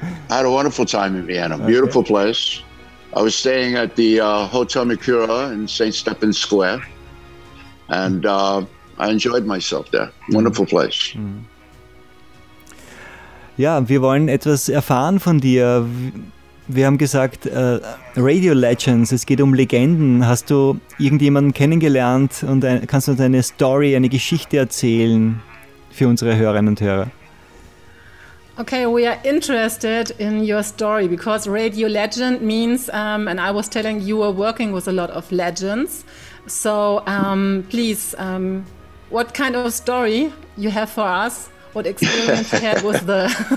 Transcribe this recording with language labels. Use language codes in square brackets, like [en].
[en] I had a wonderful time in Vienna. Okay. Beautiful place. I was staying at the Hotel Mercure in St. Stephen Square. And I enjoyed myself there. Wonderful place. [de] Ja, wir wollen etwas erfahren von dir. Wir haben gesagt, Radio Legends, es geht um Legenden. Hast du irgendjemanden kennengelernt und kannst du uns eine Story, eine Geschichte erzählen für unsere Hörerinnen und Hörer? [en] Okay, we are interested in your story because radio legend means, and I was telling you were working with a lot of legends. So please, what kind of story you have for us? What experience you had with the